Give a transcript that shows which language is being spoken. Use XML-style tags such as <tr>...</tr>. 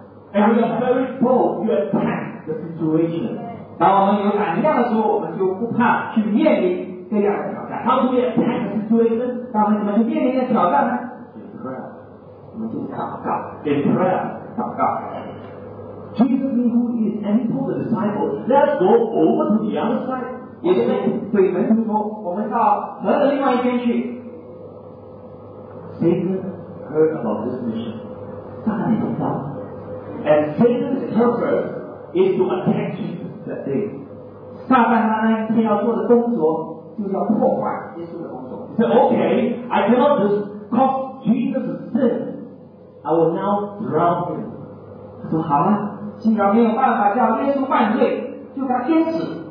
<en>And you are very bold, you attack the situation.</en> <zh>当我们有胆量的时候，我们就不怕去面临这样的挑战。</zh> <en>How do we attack the situation?</en> <zh>当我们怎么去面临一个挑战呢？</zh> <en>In prayer.</en> <zh>我们就祷告。</zh> <en>In prayer.</en> <zh>祷告。</zh> <en>Jesus knew who he is and he told the disciples, let's go over to the other side.</en> <zh>也就是对门徒说，我们到河的另外一边去。</zh> <en>Satan heard about this mission.</en> <zh>撒旦也知道。</zh> <en>And Satan's purpose is to attack Jesus that day.</en> <zh>撒旦他那一天要做的工作就是要破坏耶稣的工作。</zh> <en>He said, okay, I cannot just cause Jesus' sin. I will now drown him.</en> <zh>他说好了，既然没有办法叫耶稣犯罪，就把他淹死。</zh>